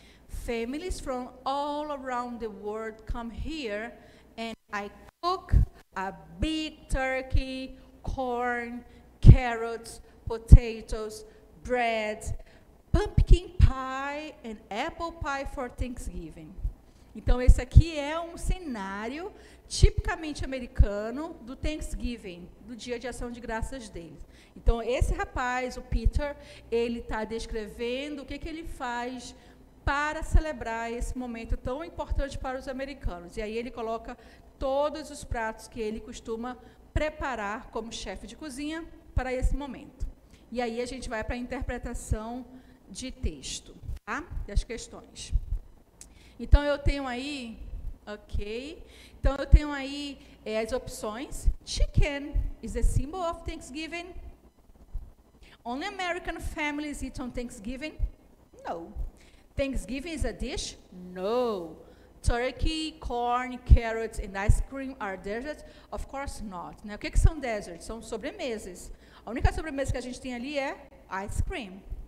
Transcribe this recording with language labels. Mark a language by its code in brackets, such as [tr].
[en] Families from all around the world come here and I cook a big turkey, corn, carrots, potatoes, bread, pumpkin pie and apple pie for Thanksgiving. [pt] Então, esse aqui é um cenário tipicamente americano do Thanksgiving, do dia de ação de graças deles. Então, esse rapaz, o Peter, ele está descrevendo o que, que ele faz para celebrar esse momento tão importante para os americanos. E aí ele coloca todos os pratos que ele costuma preparar como chefe de cozinha para esse momento. E aí a gente vai para a interpretação de texto, tá? Das questões. Então, eu tenho aí, ok, então eu tenho aí as opções. [en] Chicken is a symbol of Thanksgiving. Only American families eat on Thanksgiving? No. Thanksgiving is a dish? No. Turkey, corn, carrots and ice cream are desserts? Of course not. [pt] Né? O que, que são desserts? São sobremesas. A única sobremesa que a gente tem ali é ice cream.